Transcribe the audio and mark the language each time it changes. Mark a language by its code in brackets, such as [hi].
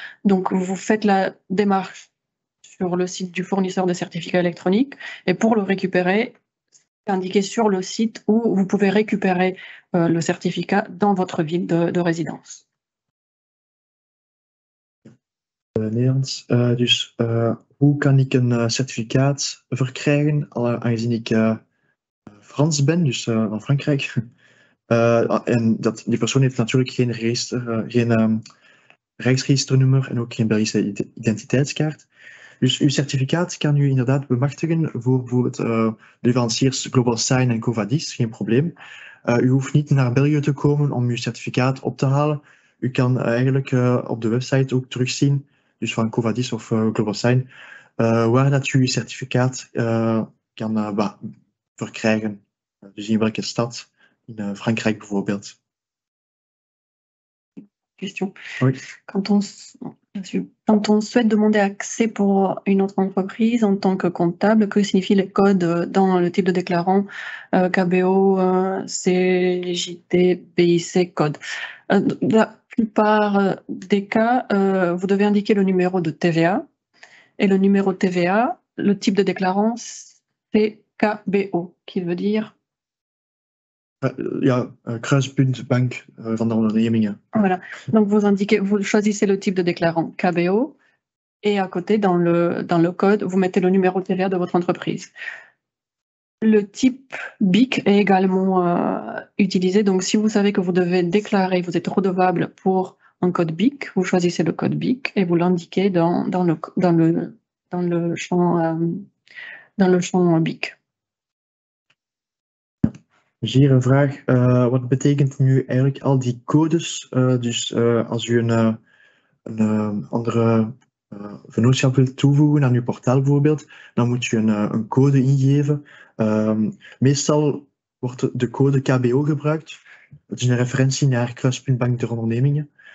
[fr] Donc, vous faites la démarche sur le site du fournisseur de certificats électroniques. Et pour le récupérer, c'est indiqué sur le site où vous pouvez récupérer le certificat dans votre ville de résidence. [nl] Nederlands. Dus hoe kan ik een certificaat verkrijgen, aangezien ik Frans ben, dus van Frankrijk. En dat, die persoon heeft natuurlijk geen register, geen rijksregisternummer en ook geen Belgische identiteitskaart. Dus uw certificaat kan u inderdaad bemachtigen voor bijvoorbeeld leveranciers Global Sign en Covadis, geen probleem. U hoeft niet naar België te komen om uw certificaat op te halen. U kan eigenlijk op de website ook terugzien, dus van Covadis of Global Sign, waar dat u uw certificaat kan verkrijgen. Dus in welke stad, in Frankrijk bijvoorbeeld. [fr] Question. Oui. Quand on souhaite demander accès pour une autre entreprise en tant que comptable, que signifie le code dans le type de déclarant KBO, CJT, BIC, code? La plupart des cas, vous devez indiquer le numéro de TVA. Et le numéro de TVA, le type de déclarant, c'est KBO, qui veut dire [nl] Kruispunt bank van de ondernemingen. [fr] Voilà. Donc vous indiquez, vous choisissez le type de déclarant KBO et à côté dans le code, vous mettez le numéro de TVA de votre entreprise. Le type BIC est également utilisé. Donc si vous savez que vous devez déclarer, vous êtes redevable pour un code BIC, vous choisissez le code BIC et vous l'indiquez dans le champ BIC. J'ai une vraag. [nl] Wat betekent nu eigenlijk al die codes? Als u een andere vennootschap wilt toevoegen aan uw portaal bijvoorbeeld, dan moet u een code ingeven. Meestal wordt de code KBO gebruikt. Dat is een referentie naar Kruispunt Bank der Ondernemingen.